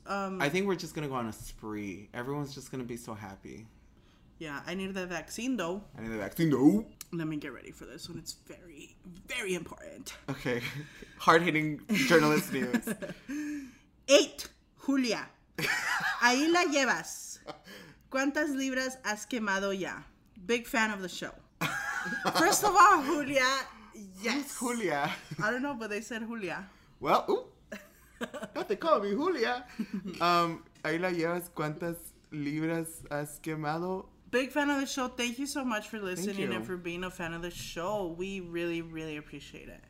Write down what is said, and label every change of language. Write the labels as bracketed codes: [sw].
[en] I think we're just going to go on a spree. Everyone's just going to be so happy. Yeah, I need the vaccine, though. Let me get ready for this one. It's very, very important. Okay. Hard-hitting journalist news. [es] 8, Julia. Ahí la llevas. ¿Cuántas libras has quemado ya? [en] Big fan of the show. First of all, Julia, yes. Who's Julia? I don't know, but they said Julia. Well, but they call me Julia. [es] Ahí la llevas, ¿cuántas libras has quemado? [en] Big fan of the show. Thank you so much for listening and for being a fan of the show. We really, really appreciate it.